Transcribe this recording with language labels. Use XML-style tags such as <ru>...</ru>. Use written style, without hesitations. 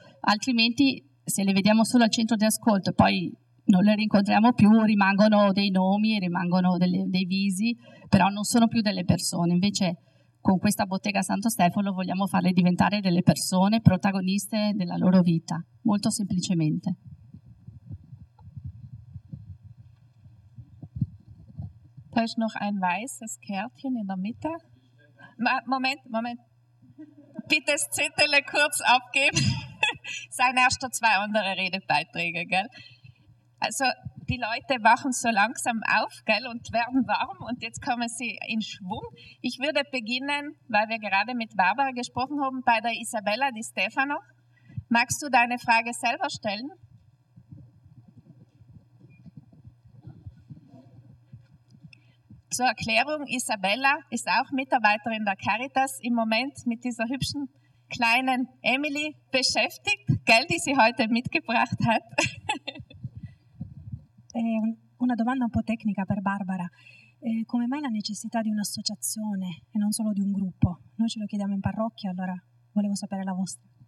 <it>Altrimenti se le vediamo solo al centro di ascolto e poi non le rincontriamo più, rimangono dei nomi, rimangono dei visi, però non sono più delle persone. Invece con questa Bottega Santo Stefano vogliamo farle diventare delle persone protagoniste della loro vita, molto semplicemente.</it> <de>Da ist noch ein weißes Kärtchen in der Mitte. Moment. Bitte das Zettel kurz abgeben. Seien erst zwei andere Redebeiträge, gell? Also die Leute wachen so langsam auf, gell, und werden warm und jetzt kommen sie in Schwung. Ich würde beginnen, weil wir gerade mit Barbara gesprochen haben, bei der Isabella Di Stefano. Magst du deine Frage selber stellen? Zur Erklärung, Isabella ist auch Mitarbeiterin der Caritas im Moment mit dieser hübschen kleinen Emily beschäftigt, gell, die sie heute mitgebracht hat.</de> <it>Una domanda un po' tecnica per Barbara. Come mai la necessità di un'associazione e non solo di un gruppo? Noi ce lo chiediamo in parrocchia, allora volevo sapere la vostra.</it>